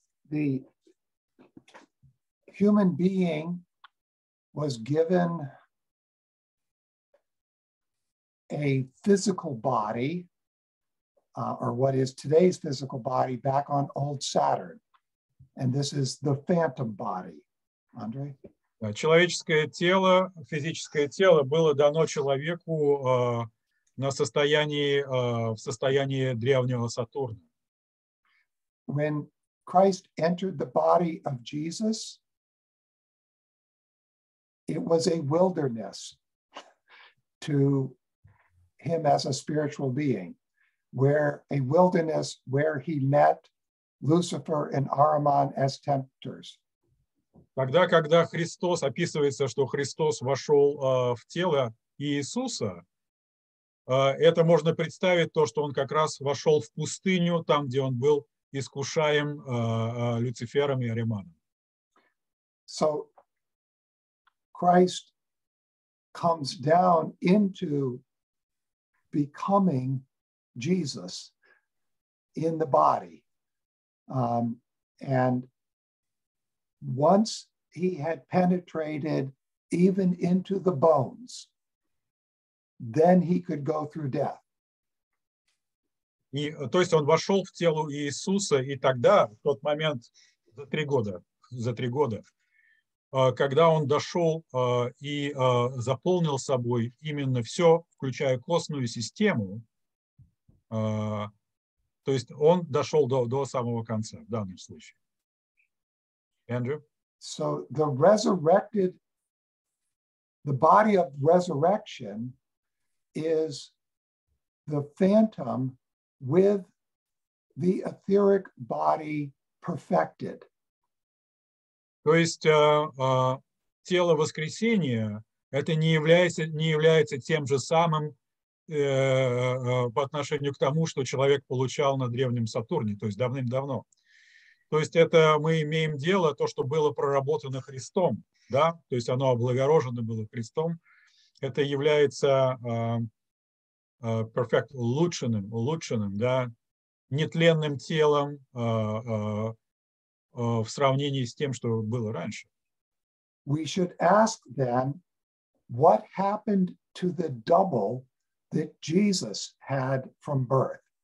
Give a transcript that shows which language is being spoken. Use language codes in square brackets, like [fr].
[en] The human being was given a physical body, or what is today's physical body, back on old Saturn. And this is the phantom body, Andre. [ru] Человеческое тело, физическое тело было дано человеку на состоянии, в состоянии древнего Сатурна. [en] When Christ entered the body of Jesus, it was a wilderness to him as a spiritual being, where a wilderness where he met Lucifer and Ahriman as tempters. [ru] Тогда, когда Христос описывается, что Христос вошел в тело Иисуса, это можно представить то, что он как раз вошел в пустыню, там, где он был искушаем Люцифером и Ариманом. [en] So Christ comes down into becoming Jesus in the body. And once he had penetrated even into the bones, then he could go through death. [ru] И, то есть он вошел в тело Иисуса, и тогда, в тот момент, за три года, когда он дошел и заполнил собой именно все, включая костную систему, то есть он дошел до самого конца в данном случае. [en] Andrew? So the resurrected, the body of resurrection is the phantom with the etheric body perfected. [ru] То есть тело воскресения это не является тем же самым по отношению к тому, что человек получал на древнем Сатурне, то есть давным-давно. То есть это мы имеем дело, то, что было проработано Христом, да, то есть оно облагорожено было Христом, это является perfect, улучшенным, да, нетленным телом в сравнении с тем, что было раньше. [en] We should ask then, what happened to the double that Jesus had from birth.